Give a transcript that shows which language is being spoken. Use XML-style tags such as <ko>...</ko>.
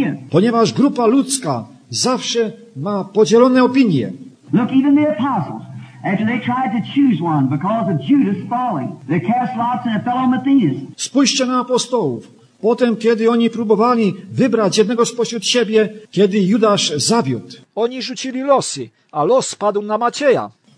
<pl>Ponieważ grupa ludzka zawsze ma podzielone opinie.</pl> <en>Look, even the apostles, after they tried to choose one because of Judas falling, they cast lots in a fellow Matthias.</en> <pl>Spójrzcie na apostołów. Potem, kiedy oni próbowali wybrać jednego spośród siebie, kiedy Judasz zawiódł. Oni rzucili losy, a los spadł na Macieja.</pl>